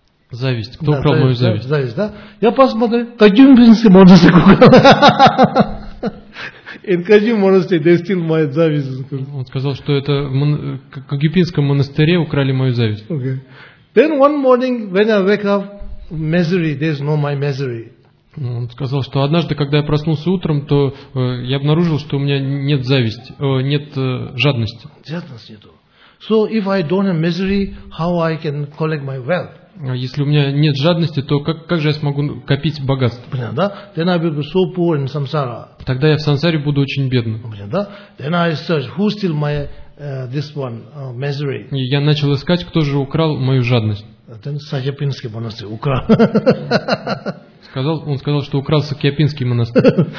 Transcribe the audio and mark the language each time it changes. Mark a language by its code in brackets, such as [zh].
[ru] зависть, кто украл мою зависть? Зависть, да? Я посмотрел, каким бизнесом можно закупать? [en] In Kagyu monastery, they steal my зависть. [ru] Он сказал, что это в Кагюпинском монастыре украли мою зависть. [en] Okay. Then one morning, when I wake up, misery, there's no my misery. [ru] Он сказал, что однажды, когда я проснулся утром, то я обнаружил, что у меня нет зависти, нет жадности. Жадности нету. [en] So if I don't have misery, how I can collect my wealth? [ru] Если у меня нет жадности, то как же я смогу копить богатство? Понятно, да? [en] Then I will be so poor in samsara. [ru] Тогда я в сансаре буду очень бедным. Понятно, да? [en] Then I search who steal my this one misery. [ru] И я начал искать, кто же украл мою жадность. Then Сакьяпинский монастырь украл. Он сказал, что украл Сакьяпинский монастырь.